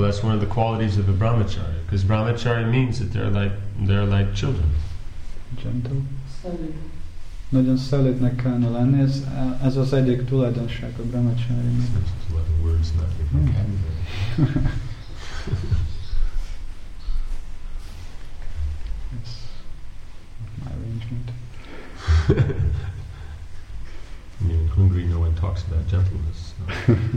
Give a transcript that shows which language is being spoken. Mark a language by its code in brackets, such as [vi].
[en] That's one of the qualities of a brahmacharya, because brahmacharya means that they're like children. Gentle. Solid. [hu] Nagyon szelídnek kellene lenni. Ez az egyik tulajdonság a brahmacharyának. [en] There's a lot of words in that vocabulary. Yes. My arrangement. In Hungary, no one talks about gentleness. So.